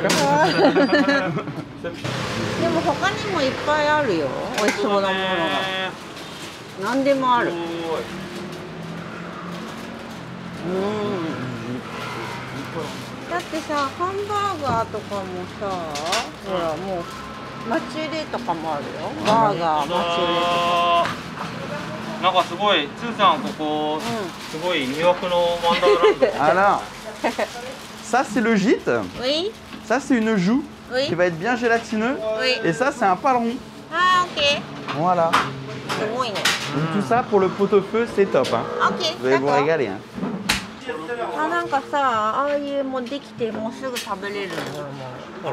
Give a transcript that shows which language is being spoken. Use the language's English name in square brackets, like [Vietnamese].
[French] Mais il y a beaucoup de choses. Il y a tout ce qu'il y a. Il y a tout ce qu'il y a. Il y a tout ce qu'il y a. [Japanese] なんかすごい、ツーさんここ、すごい魅惑のワンダーランド。 [French] あら、さ、c'est le gîte。 Oui。さ、c'est une joue。 Oui。 Qui va être bien gélatineux。 Oui。 Et ça, c'est un paleron。 Ah, ok。 Voilà。 [Japanese] すごいね。 [French] Donc, tout ça pour le pot-au-feu, c'est top。 Ok。 Vous allez vous régaler。 [Japanese] あ、なんかさ、ああいうもできて、もうすぐ食べれるの。